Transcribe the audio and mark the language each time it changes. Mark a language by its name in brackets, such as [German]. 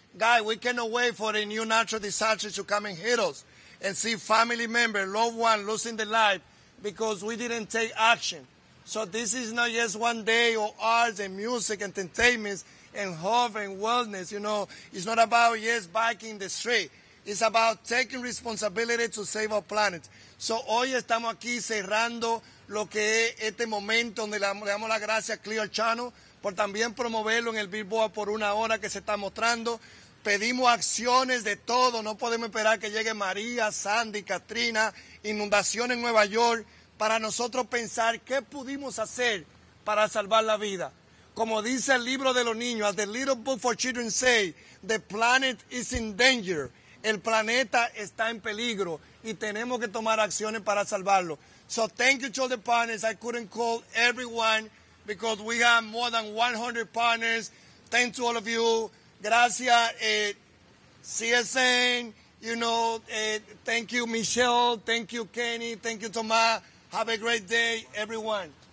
[English] Guy, we cannot wait for a new natural disaster to come and hit us and see family members, loved ones losing their life because we didn't take action. So this is not just one day of arts and music and entertainment and hope and wellness, you know. It's not about just biking the street. It's about taking responsibility to save our planet. [Spanish] So hoy estamos aquí cerrando lo que es este momento donde le damos la gracia a Clear Channel por también promoverlo en el Billboard por una hora que se está mostrando. Pedimos acciones de todo. No podemos esperar que llegue María, Sandy, Katrina, inundación en Nueva York para nosotros pensar qué pudimos hacer para salvar la vida. Como dice el libro de los niños, [English] as the little book for children say, the planet is in danger. [Spanish] El planeta está en peligro y tenemos que tomar acciones para salvarlo. [English] So thank you to all the partners. I couldn't call everyone because we have more than 100 partners. Thanks to all of you. [Spanish] Gracias, CSN. [English] You know, thank you, Michelle. Thank you, Kenny. Thank you, Tomás. Have a great day, everyone.